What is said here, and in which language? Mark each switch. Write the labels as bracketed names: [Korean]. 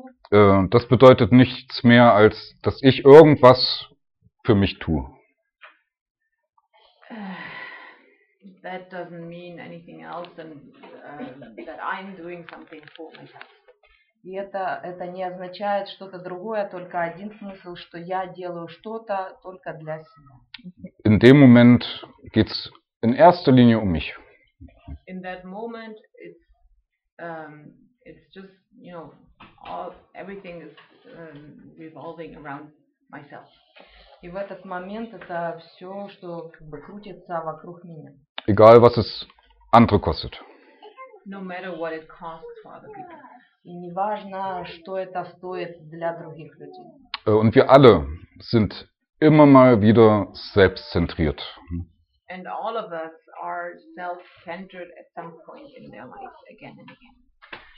[German] Das bedeutet nichts mehr, als dass ich irgendwas für mich tue. [English] That doesn't mean anything else than that I'm doing something for myself. [Russian] И это не означает что-то другое, только один смысл, что я делаю что-то только для себя. [German] In dem Moment geht's in erster Linie um mich. [English] In that moment it's just, you know, everything is revolving around myself. [Russian] И в этот момент это все, что как бы крутится вокруг меня. [German] Egal, was es andere kostet. [English] No matter what it costs for other people. [Russian] И не важно, что это стоит для других людей. [German] Und wir alle sind immer mal wieder selbstzentriert. [English] And all of us are self-centered at some point in their life, again and again.